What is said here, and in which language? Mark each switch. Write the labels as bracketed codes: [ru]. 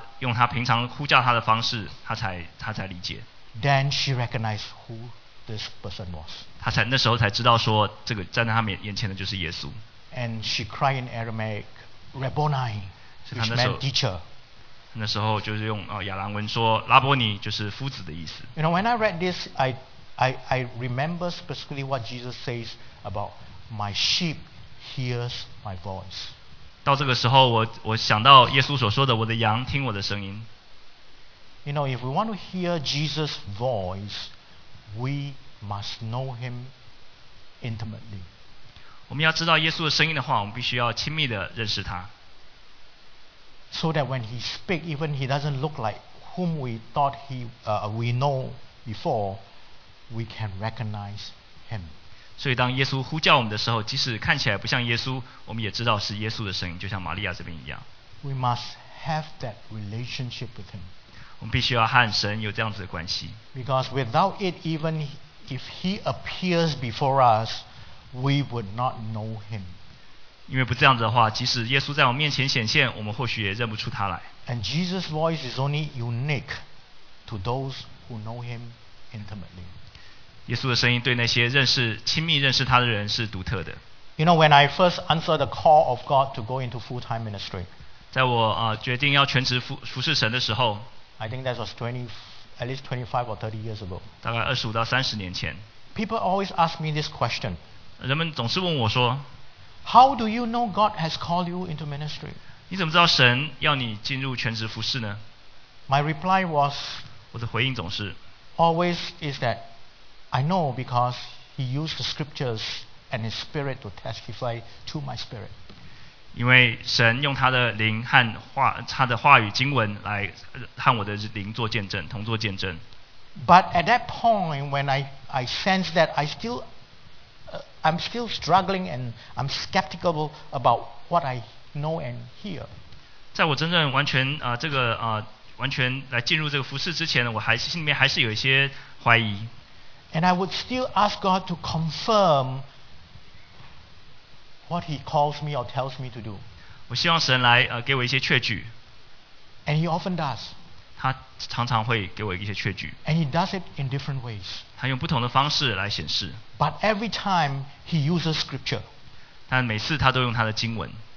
[zh] 一直到耶稣对他用他平常呼叫他的方式，他才理解。 [en] Then she recognized who this person was. [zh] 他才那时候才知道说这个站在他眼前的就是耶稣。 [en] And she cried in Aramaic, "Rabboni," which meant teacher. [zh] 那时候就是用亚兰文说拉波尼就是夫子的意思。 [en] You know, when I read this, I remember specifically what Jesus says about my sheep hears my voice. [zh] 到这个时候，我想到耶稣所说的，我的羊听我的声音。 [en] You know, if we want to hear Jesus' voice, we must know him intimately. [zh] 我们要知道耶稣的声音的话，我们必须要亲密的认识他。 [en] So that when he speaks, even he doesn't look like whom we thought we know before, we can recognize him. [zh] 所以当耶稣呼叫我们的时候，即使看起来不像耶稣，我们也知道是耶稣的声音，就像玛利亚这边一样。 [en] We must have that relationship with him. [zh] 我们必须要和神有这样子的关系。 [en] Because without it, even if He appears before us, we would not know Him. [zh] 因为不这样子的话，即使耶稣在我面前显现，我们或许也认不出他来。 [en] And Jesus' voice is only unique to those who know Him intimately. [zh] 耶稣的声音对那些认识亲密认识他的人是独特的。 [en] You know, when I first answered the call of God to go into full-time ministry, [zh] 在我决定要全职服侍神的时候。 [en] I think that was at least 25 or 30 years ago. [zh] 大概25到30年前。 [en] People always ask me this question. [zh] 人们总是问我说， [en] How do you know God has called you into ministry? [zh] 你怎么知道神要你进入全职服侍呢？ [en] My reply was, [zh] 我的回应总是， [en] Always is that I know because He used the scriptures and His spirit to testify to my spirit. [zh] 因为神用他的灵和话，他的话语经文来和我的灵做见证，同做见证。 [en] But at that point, when I sense that I'm still struggling and I'm skeptical about what I know and hear. [zh] 在我真正完全完全来进入这个服事之前，我还心里面还是有一些怀疑。 [en] And I would still ask God to confirm. What He calls me or tells me to do. [zh] 我希望神来给我一些确据。 [en] And He often does. [zh] 他常常会给我一些确据。 [en] And He does it in different ways. [zh] 他用不同的方式来显示。 [en] But every time He uses scripture. [zh] 但每次他都用他的经文。